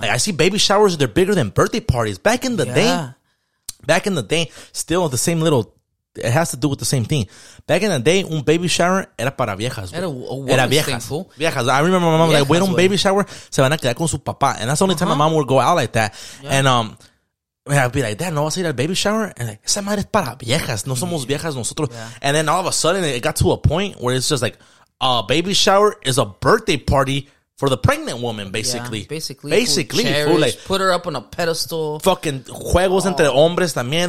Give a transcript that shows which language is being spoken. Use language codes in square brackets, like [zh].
[en] Like, I see baby showers, they're bigger than birthday parties. Back in the day, still the same little, it has to do with the same thing. Back in the day, [es] un baby shower era para viejas. Era viejas. Viejas. [en] I remember my mom like, wait, [es] un baby shower, se van a quedar con su papá. [en] And that's the only time my mom would go out like that. Yeah. And I'd be like, dad, [es] no vas a ir al baby shower? [en] And like, [es] esa madre es para viejas. No somos viejas nosotros. [en] Yeah. And then all of a sudden, it got to a point where it's just like, a baby shower is a birthday party for the pregnant woman, basically. Yeah, basically. Cherish, fool, like, put her up on a pedestal. [es] Fucking juegos entre hombres también.